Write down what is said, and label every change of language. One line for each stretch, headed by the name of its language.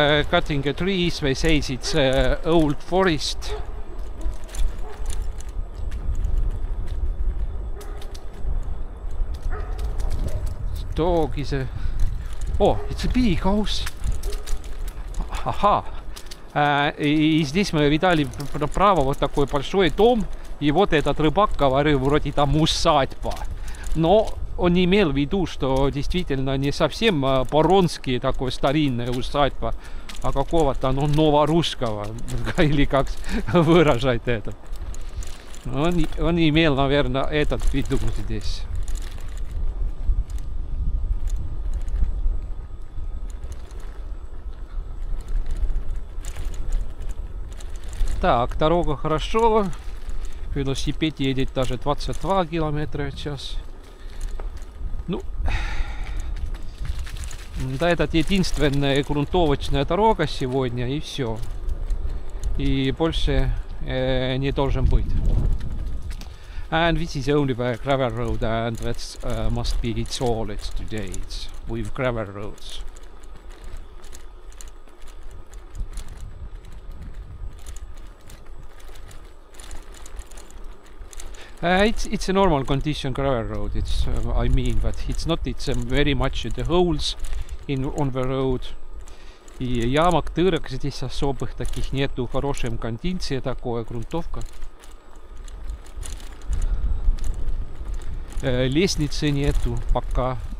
English: Cutting the trees, they say it's an old forest. Dog is a... Oh, it's a big house.
Russian: ага, и здесь мы видали право вот такой большой дом, и вот этот рыбак говорил, вроде там усадьба, но он имел в виду, что действительно не совсем по-ронски такой старинная усадьба, а какого-то, ну, новорусского, или как выражать это. Он имел, наверное, этот в виду здесь. Так, дорога хорошо. Велосипед едет даже 22 километра в час. Ну, да, это единственная грунтовочная дорога сегодня, и все. И больше не должен быть.
English: And this is only by gravel road, and that must be it's all it's today. It's with gravel roads. It's a normal condition gravel road. It's not very much the holes in on the road.
Russian: И ямок, дырок здесь особых таких нету, в хорошем кондиции такое грунтовка. Лестницы нету пока.